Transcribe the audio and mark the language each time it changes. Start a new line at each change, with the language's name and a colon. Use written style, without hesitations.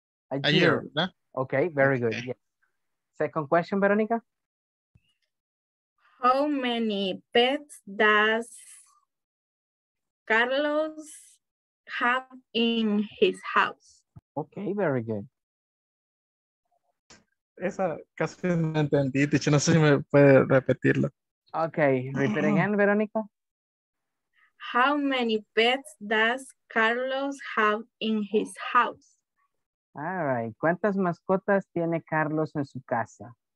English: A year. Right? Okay, very good. Okay. Yeah. Second question, Veronica. How many pets does Carlos have in his house? Okay, very good.
Spanish: Esa casi no entendí, dicho, no sé si me puede repetirlo.
English: Okay, repeat again, Veronica. How many pets does Carlos have in his house? All right,
Spanish: ¿cuántas mascotas tiene Carlos en su casa?